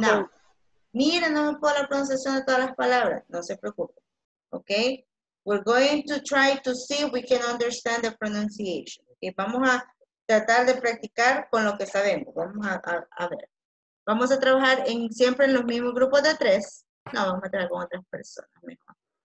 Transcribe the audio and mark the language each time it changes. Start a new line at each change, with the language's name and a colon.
Spanish: Now, mira, no me puedo la pronunciación de todas las palabras. No se preocupe. Okay?
English: We're going to try to see if we can understand the pronunciation. Okay?
Spanish: Vamos a tratar de practicar con lo que sabemos. Vamos a ver. Vamos a trabajar en, siempre en los mismos grupos de tres. No, vamos a trabajar con otras personas mejor.